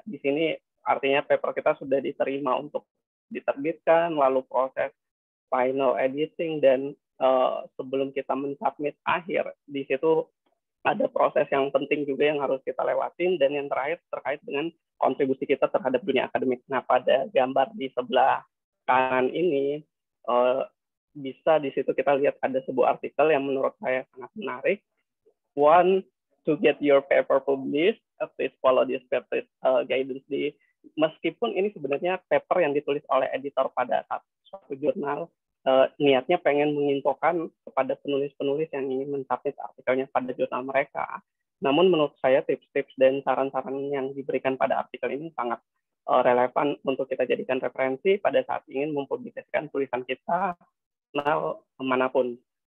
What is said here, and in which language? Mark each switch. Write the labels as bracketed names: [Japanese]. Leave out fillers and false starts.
[Indonesian] Di sini artinya paper kita sudah diterima untuk diterbitkan, lalu proses final editing, dan sebelum kita mensubmit akhir, di situ ada proses yang penting juga yang harus kita lewatin, dan yang terakhir terkait dengan kontribusi kita terhadap dunia akademik. Nah, pada gambar di sebelah kanan ini, bisa di situ kita lihat ada sebuah artikel yang menurut saya sangat menarik. [English] One, to get your paper published, please follow this paper guidance. [Indonesian] Meskipun ini sebenarnya paper yang ditulis oleh editor pada satu jurnal, niatnya pengen menginfokan kepada penulis-penulis yang ingin mensubmit artikelnya pada jurnal mereka. Namun menurut saya tips-tips dan saran-saran yang diberikan pada artikel ini sangat relevan untuk kita jadikan referensi pada saat ingin mempublikasikan tulisan kita manapun.